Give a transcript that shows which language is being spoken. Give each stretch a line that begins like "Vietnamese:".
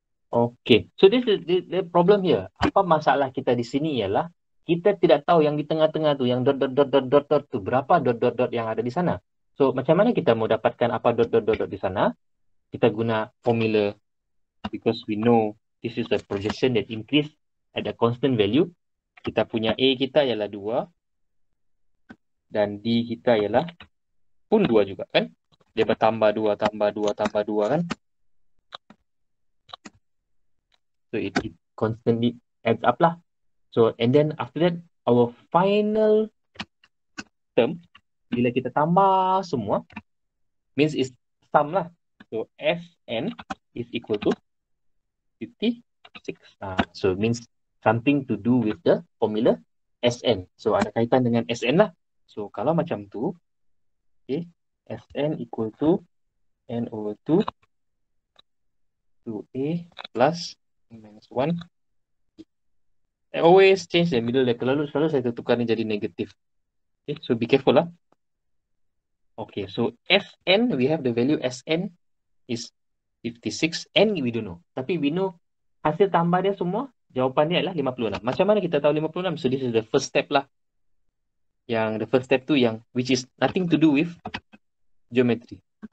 English: Okay, so this is the problem here.
Malay: Apa masalah kita di sini ialah kita tidak tahu yang di tengah-tengah tu yang dot dot dot dot dot dot tu berapa dot dot dot yang ada di sana. So, macam mana kita mau dapatkan apa dot dot dot dot di sana? Kita guna formula
English: because we know this is a projection that increase at a constant value.
Malay: Kita punya A kita ialah 2 dan D kita ialah pun 2 juga kan? Dia bertambah 2, tambah 2, tambah 2 kan?
English: So, it constantly adds up lah. So, and then after that, our final term
Malay: bila kita tambah semua,
English: means is sum lah. So, Sn is equal to 56. So, means something to do with the formula Sn. So,
Malay: ada kaitan dengan Sn lah.
English: So,
Malay: kalau macam tu,
English: okay, Sn equal to n over 2, 2a plus minus 1. I always change the middle.
Malay: Selalu saya tukar ni jadi negatif.
English: Okay, so be careful lah. Okay, so Sn, we have the value Sn is 56. N, we don't know.
Malay: Tapi
English: we know
Malay: hasil tambah dia semua, jawapannya adalah 56. Macam mana kita tahu 56?
English: So, this is the first step lah. Yang the first step tu yang, which is nothing to do with geometry.